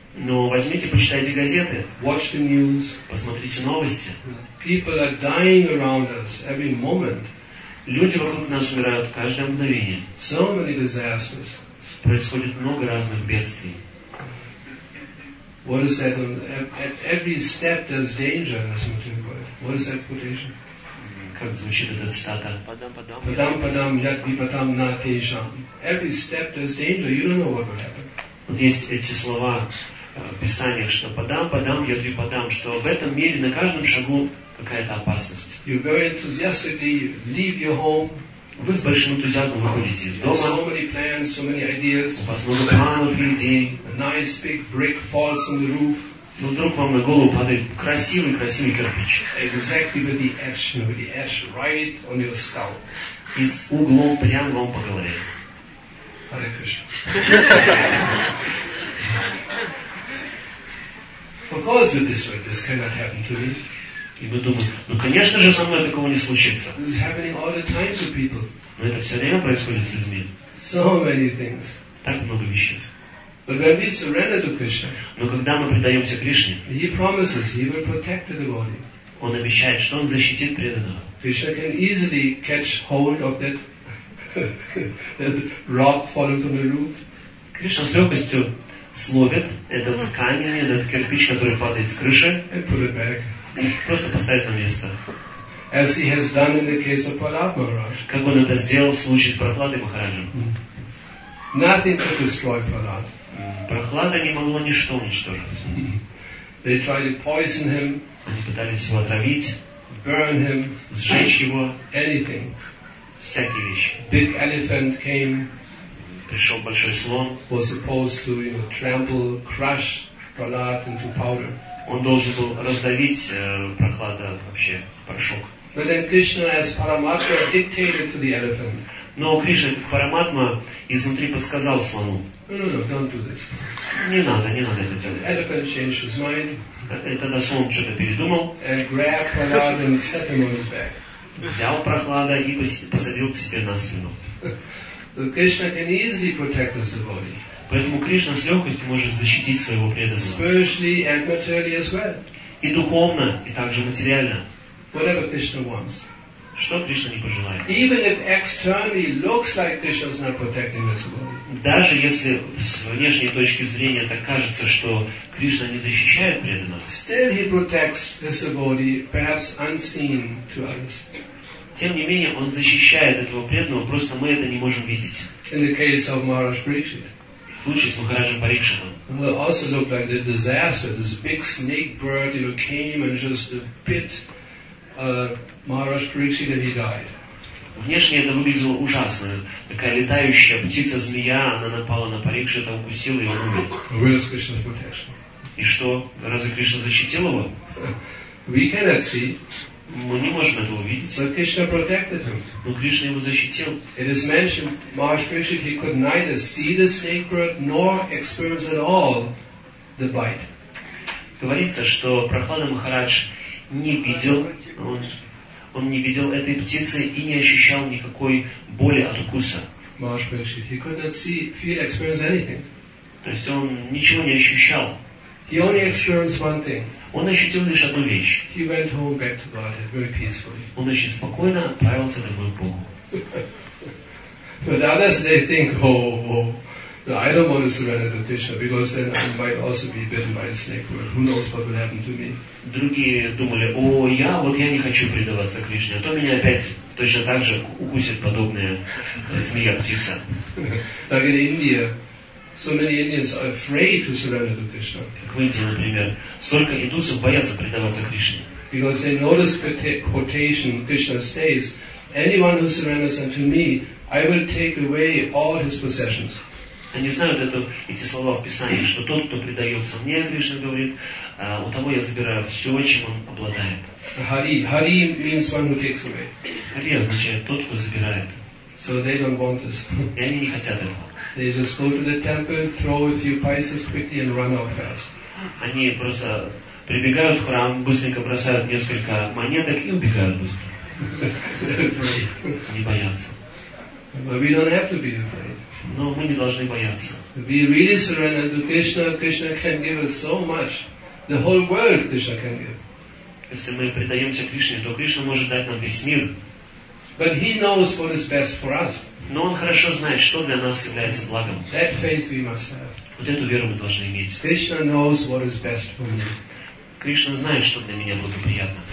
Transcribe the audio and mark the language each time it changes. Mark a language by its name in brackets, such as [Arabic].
[Russian] Но возьмите, почитайте газеты. [English] Watch the news. [Russian] Посмотрите новости. [English] People are dying around us every moment. [Russian] Люди вокруг нас умирают каждое мгновение. [English] So many disasters. [Russian] Происходит много разных бедствий. [English] What is that? At every step there's danger in this material world. What is that quotation? [Russian] Как звучит эта цитата? [Sanskrit] Падам, падам, яд, випатам, на, тейшам. [English] Every step there's danger. You don't know what will happen. [Russian] Вот есть эти слова в Писаниях, что [Sanskrit] падам, падам, яд, випатам, [Russian] что в этом мире на каждом шагу какая-то опасность. [English] You very enthusiastically leave your home. [Russian] Вы с большим энтузиазмом выходите из дома. [English] So many plans, so many ideas. [Russian] У вас много планов и идей. [English] A nice big brick falls on the roof. [Russian] Но вдруг вам на голову падает красивый кирпич. [English] Exactly with the edge right on your skull. [Russian] И с углом прямо вам по голове. [English] Hare Krishna. Of course, with this cannot happen to me. [Russian] И мы думаем, ну конечно же со мной такого не случится. [English] This is happening all the time to people. [Russian] Но это все время происходит с людьми. [English] So many things. [Russian] Так много вещей. [English] But when we surrender to Krishna, [Russian] но когда мы предаемся Кришне, [English] he promises he will protect the devotee. [Russian] Он обещает, что он защитит преданного. [English] Krishna can easily catch hold of that rock falling from the roof. [Russian] Кришна с легкостью словит этот камень, этот кирпич, который падает с крыши. [English] And put it back. [Russian] Просто поставить на место. [English] As he has done in the case of Prahlad Maharaj. [Russian] Как он это сделал в случае с Прохладой Махараджем. [English] Nothing could destroy Prahlad. [Russian] Прохлада не могла ничто уничтожить. [English] They tried to poison him. [Russian] Они пытались его отравить. [English] Burn him. [Russian] Сжечь его. [English] Anything. [Russian] Всякие вещи. [English] Big elephant came. [Russian] пришел большой слон. [English] Was supposed to, you know, trample, crush Prahlad into powder. [Russian] Он должен был раздавить Прохлада вообще в порошок. [English] But then Krishna, as Paramatma, dictated to the elephant. [Russian] Но Кришна, Параматма, изнутри подсказал слону. [English] No, don't do this. [Russian] Не надо это делать. [English] Elephant changed his mind. [Russian] Тогда слон что-то передумал. [English] And grabbed Prahlad and set him on his back. [Russian] Взял Прохлада и посадил к себе на спину. [English] So Krishna can easily protect his devotee. [Russian] Поэтому Кришна с легкостью может защитить своего преданного. [English] Spiritually and materially as well. [Russian] И духовно, и также материально. [English] Whatever Krishna wants. [Russian] Что Кришна не пожелает. [English] Even if externally looks like Krishna's not protecting his devotee. [Russian] Даже если с внешней точки зрения так кажется, что Кришна не защищает преданного. [English] Still he protects his devotee, perhaps unseen to others. [Russian] Тем не менее, он защищает этого преданного, просто мы это не можем видеть. [English] In the case of Maharaja Parikshit. [Russian] В случае с Махараджем Парикшитом. [English] Well, it also looked like this disaster, this big snake bird, you know, came and just bit Maharaja Parikshit and he died. [Russian] Внешне это выглядело ужасно. Такая летающая птица-змея, она напала на Парикшита, укусила и он убил. [English] Where is Krishna's protection? [Russian] И что, разве Кришна защитил его? [English] We cannot see. [Russian] Мы не можем это увидеть. [English] But Krishna protected him. [Russian] Но Кришна его защитил. [English] It is mentioned, Maharaja Parikshit, he could neither see the snake bird nor experience at all the bite. [Russian] Говорится, что Прохлада Махарадж не видел, он не видел этой птицы и не ощущал никакой боли от укуса. [English] Maharaja Parikshit, he could not see, feel, experience anything. [Russian] То есть он ничего не ощущал. [English] He only experienced one thing. [Russian] Он ощутил лишь одну вещь. [English] He went home back to Godhead very peacefully. [Russian] Он очень спокойно отправился домой к Богу. [English] But others, they think, no, I don't want to surrender to Krishna because then I might also be bitten by a snake. Or who knows what will happen to me? [Russian] Другие думали, я не хочу предаваться Кришне, а то меня опять точно так же укусит подобная змея, птица. [English] Like in India. So many Indians are afraid to surrender to Krishna. [Russian] Как в Индии, например, столько индусов боятся предаваться Кришне. [English] Because they notice the quotation Krishna says, anyone who surrenders unto me, I will take away all his possessions. [Russian] Они знают эти слова в Писании, что тот, кто предается мне, Кришна говорит, у того я забираю все, чем он обладает. [English] Hari means one who takes away. [Russian] Hari означает тот, кто забирает. [English] So they don't want this. [Russian] И они не хотят этого. [English] They just go to the temple, throw a few paisas quickly, and run out fast. [Russian] Они просто прибегают в храм, быстренько бросают несколько монеток и убегают быстро. Не боятся. [English] But we don't have to be afraid. [Russian] Но мы не должны бояться. [English] We really surrender to Krishna. Krishna can give us so much. The whole world Krishna can give. [Russian] Если мы предаемся Кришне, то Кришна может дать нам весь мир. [English] But He knows what is best for us. [Russian] Но он хорошо знает, что для нас является благом. [English] That faith we must have. [Russian] Вот эту веру мы должны иметь. [English] Krishna knows what is best for me. [Russian] Кришна знает, что для меня благоприятно.